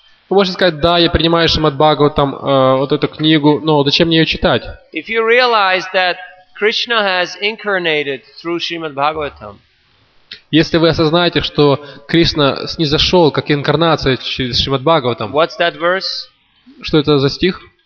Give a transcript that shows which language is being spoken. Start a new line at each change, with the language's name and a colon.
Russian: Вы можете сказать, да, я принимаю Шримад-Бхагаватам вот эту книгу, но зачем мне ее читать?
English: If you realize that Krishna has incarnated through Shrimad-Bhagavatam.
Russian: Если вы осознаете, что Кришна снизошел как инкарнация через Шримад-Бхагаватам,
English: What's that verse?
Russian: Что это за стих?